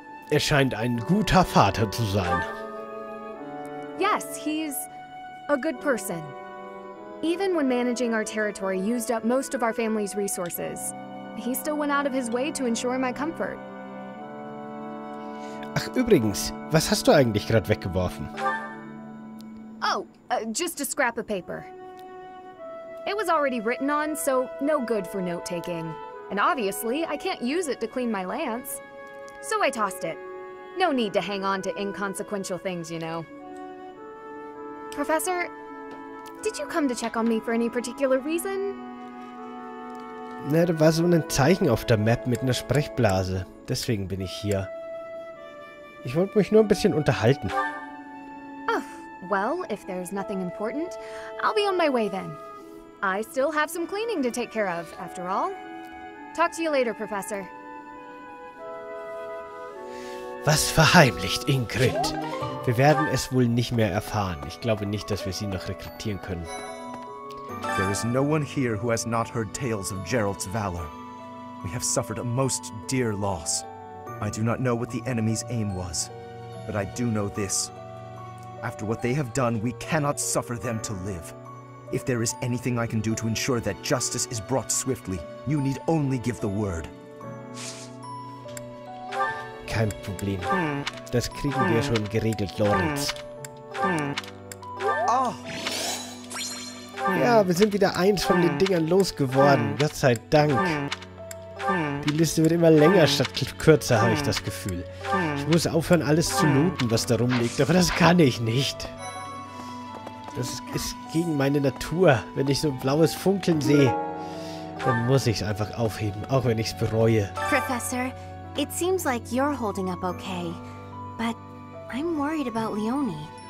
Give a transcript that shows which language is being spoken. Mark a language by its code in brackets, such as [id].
[de] Er scheint ein guter Vater zu sein. [en] Yes, he's a good person. Even when managing our territory used up most of our family's resources, he still went out of his way to ensure my comfort. [de] Ach, übrigens, was hast du eigentlich gerade weggeworfen? [en] Oh, just a scrap of paper. It was already written on, so no good for note-taking. And obviously, I can't use it to clean my lance. So I tossed it. No need to hang on to inconsequential things, you know. Professor, did you come to check on me for any particular reason? [de] Na, da war so ein Zeichen auf der Map mit einer Sprechblase. Deswegen bin ich hier. Ich wollte mich nur ein bisschen unterhalten. [en] Oh, well, if there's nothing important, I'll be on my way then. I still have some cleaning to take care of, after all. Talk to you later, Professor. [de] Was verheimlicht Ingrid? Wir werden es wohl nicht mehr erfahren. Ich glaube nicht, dass wir sie noch rekrutieren können. [en] There is no one here who has not heard tales of Geralt's valor. We have suffered a most dear loss. I do not know what the enemy's aim was, but I do know this. After what they have done, we cannot suffer them to live. If there is anything I can do to ensure that justice is brought swiftly, you need only give the word. [de] Kein Problem. Das kriegen wir schon geregelt, Lawrence. Oh. Ja, wir sind wieder eins von den Dingern losgeworden. Gott sei Dank. Die Liste wird immer länger statt kürzer, habe ich das Gefühl. Ich muss aufhören, alles zu looten, was da rumliegt, aber das kann ich nicht. Das ist gegen meine Natur. Wenn ich so ein blaues Funkeln sehe, dann muss ich es einfach aufheben, auch wenn ich es bereue. [en] Professor, it seems like you're holding up okay, but I'm worried about Leonie.